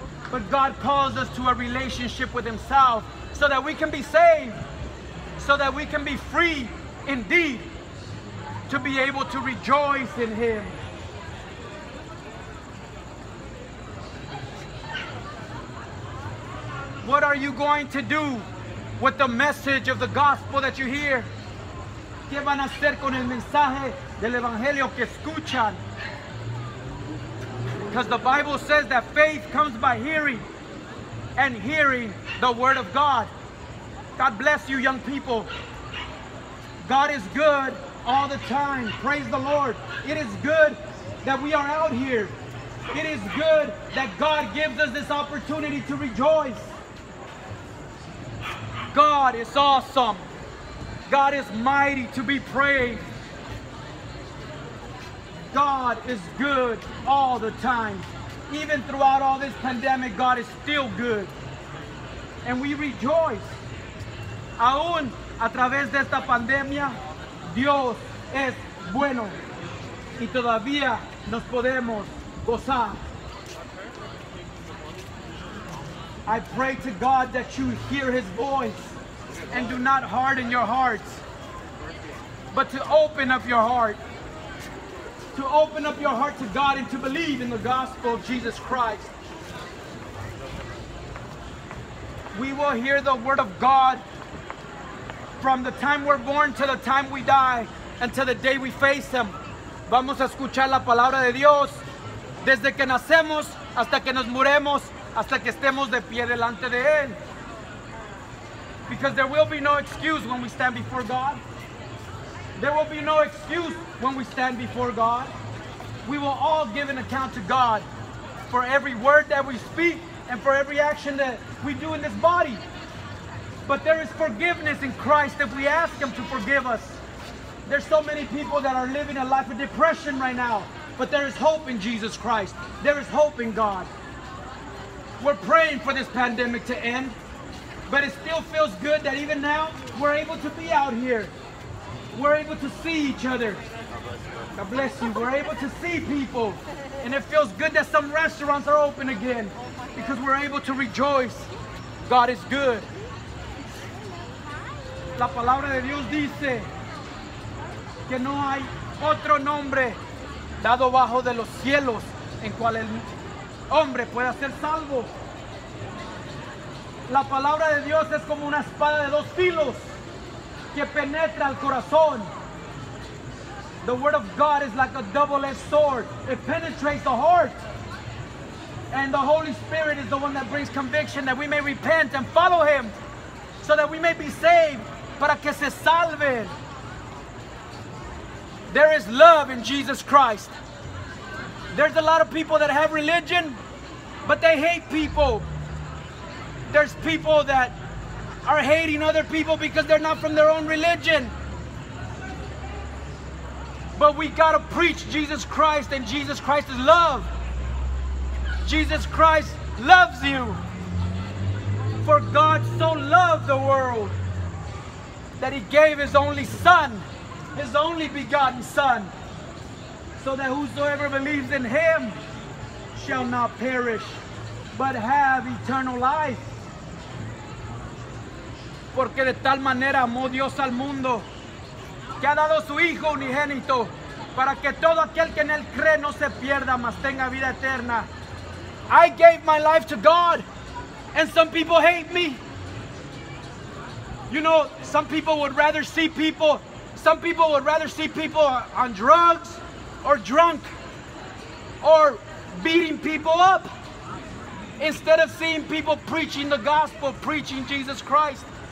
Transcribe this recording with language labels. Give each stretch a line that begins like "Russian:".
English: But God calls us to a relationship with Himself, so that we can be saved, so that we can be free indeed, to be able to rejoice in Him. What are you going to do with the message of the gospel that you hear?
Spanish: ¿Qué van a hacer con el mensaje del evangelio que escuchan?
English: Because the Bible says that faith comes by hearing, and hearing the word of God. God bless you, young people. God is good all the time. Praise the Lord. It is good that we are out here. It is good that God gives us this opportunity to rejoice. God is awesome. God is mighty to be praised. God is good all the time. Even throughout all this pandemic, God is still good. And we rejoice.
Spanish: Aún a través de esta pandemia, Dios es bueno. Y todavía nos podemos gozar.
English: I pray to God that you hear His voice and do not harden your hearts, but to open up your heart. To open up your heart to God and to believe in the gospel of Jesus Christ. We will hear the word of God from the time we're born to the time we die until the day we face Him.
Spanish: Vamos a escuchar la palabra de Dios desde que nacemos hasta que nos muremos, hasta que estemos de pie delante de Él.
English: Because there will be no excuse when we stand before God. There will be no excuse when we stand before God. We will all give an account to God for every word that we speak and for every action that we do in this body. But there is forgiveness in Christ if we ask Him to forgive us. There's so many people that are living a life of depression right now, but there is hope in Jesus Christ. There is hope in God. We're praying for this pandemic to end, but it still feels good that even now we're able to be out here. We're able to see each other. God bless you. We're able to see people. And it feels good that some restaurants are open again. Oh, because we're able to rejoice. God is good.
Spanish: La palabra de Dios dice que no hay otro nombre dado bajo de los cielos en cual el hombre pueda ser salvo. La palabra de Dios es como una espada de dos filos que penetra el corazón.
English: The word of God is like a double-edged sword. It penetrates the heart. And the Holy Spirit is the one that brings conviction that we may repent and follow Him so that we may be saved.
Spanish: Para que se salven.
English: There is love in Jesus Christ. There's a lot of people that have religion, but they hate people. There's people that are hating other people because they're not from their own religion. But we gotta preach Jesus Christ, and Jesus Christ is love. Jesus Christ loves you. For God so loved the world that He gave His only Son, His only begotten Son, so that whosoever believes in Him shall not perish, but have eternal life.
Spanish: Porque de tal manera amó Dios al mundo, que ha dado su Hijo unigénito, para que todo aquel que en él cree no se pierda, mas tenga vida eterna.
English: I gave my life to God, and some people hate me. You know, some people would rather see people on drugs, or drunk, or beating people up, instead of seeing people preaching the gospel, preaching Jesus Christ.